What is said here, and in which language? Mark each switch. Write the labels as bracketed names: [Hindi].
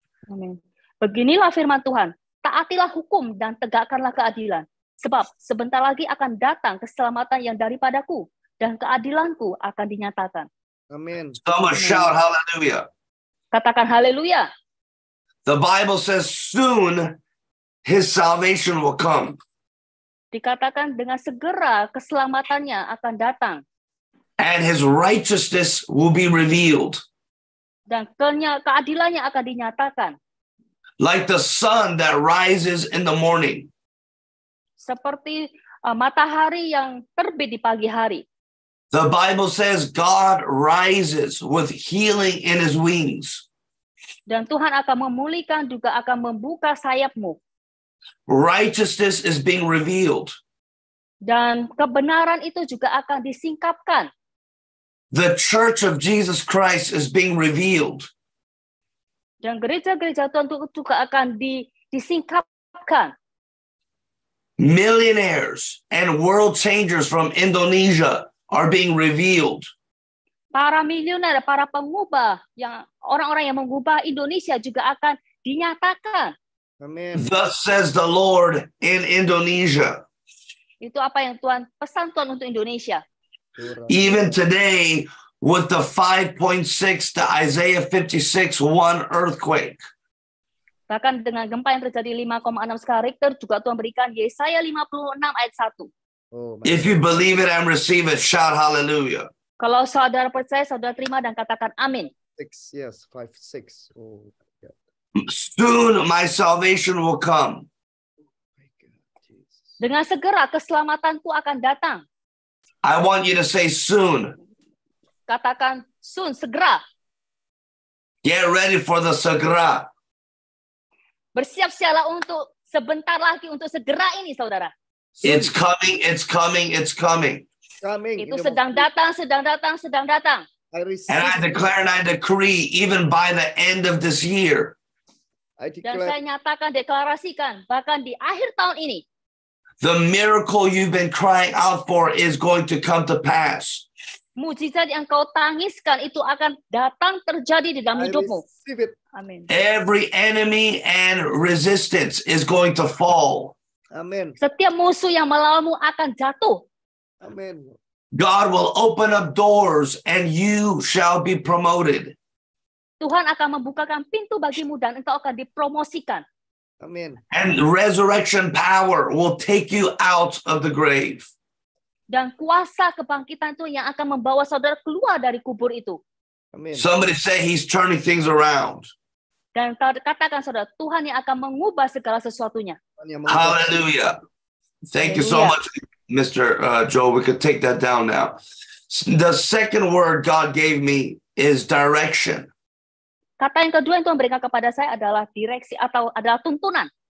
[Indonesian] Amin. Beginilah firman Tuhan, taatilah hukum dan tegakkanlah keadilan, sebab sebentar lagi akan datang keselamatan yang daripadaku, dan keadilanku akan dinyatakan. [English] Amen. Someone shout hallelujah. [Indonesian] Katakan haleluya. [English] The Bible says soon his salvation will come. [Indonesian] Dikatakan dengan segera keselamatannya akan datang. [English] And his righteousness will be revealed. [Indonesian] Dan keadilannya akan dinyatakan. [English] Like the sun that rises in the morning. [Indonesian] Seperti matahari yang terbit di pagi hari. [English] The Bible says God rises with healing in his wings. [Indonesian] Dan Tuhan akan memulihkan juga akan membuka sayapmu. [English] Righteousness is being revealed. [Indonesian] Dan kebenaran itu juga akan disingkapkan. [English] The church of Jesus Christ is being revealed. [Indonesian] Dan gereja-gereja Tuhan itu juga akan disingkapkan. [English] Millionaires and world changers from Indonesia are being revealed. [Indonesian] Para miliuner, para pengubah, yang orang-orang yang mengubah Indonesia juga akan dinyatakan. [English] Amen. Thus says the Lord in Indonesia. [Indonesian] Itu apa yang Tuhan pesan Tuhan untuk Indonesia. [English] Even today, with the 5.6, the Isaiah 56:1 earthquake. [Indonesian] Bahkan dengan gempa yang terjadi 5,6 skala Richter, juga Tuhan berikan Yesaya 56 ayat 1. [English] If you believe it and receive it, shout hallelujah. [Indonesian] Kalau saudara percaya, saudara terima dan katakan amin. [English] Yes, 5:6. Soon my salvation will come. [Indonesian] Dengan segera keselamatanku akan datang. [English] I want you to say soon. [Indonesian] Katakan soon, segera. [English] Get ready for the segera. [Indonesian] Bersiap-siaplah untuk sebentar lagi, untuk segera ini, saudara. [English] It's coming. [Indonesian] Itu sedang datang. [English] And I declare and I decree, even by the end of this year. [Indonesian] Dan saya nyatakan, deklarasikan, bahkan di akhir tahun ini. [English] The miracle you've been crying out for is going to come to pass. [Indonesian] Mujizat yang kau tangiskan itu akan datang terjadi di dalam hidupmu. [English] Amen. Every enemy and resistance is going to fall. Amen. [Indonesian] Setiap musuh yang melawanmu akan jatuh. [English] Amen. God will open up doors and you shall be promoted. [Indonesian] Tuhan akan membukakan pintu bagimu dan engkau akan dipromosikan. [English] Amen. And resurrection power will take you out of the grave. [Indonesian] Dan kuasa kebangkitan itu yang akan membawa saudara keluar dari kubur itu. [English] Amen. Somebody say he's turning things around. [Indonesian] Dan katakan saudara, Tuhan yang akan mengubah segala sesuatunya. [English] Hallelujah. Thank you so much, Mr. Joel. We could take that down now. The second word God gave me is direction. [Indonesian] Kata yang kedua yang Tuhan berikan kepada saya adalah direksi atau adalah tuntunan.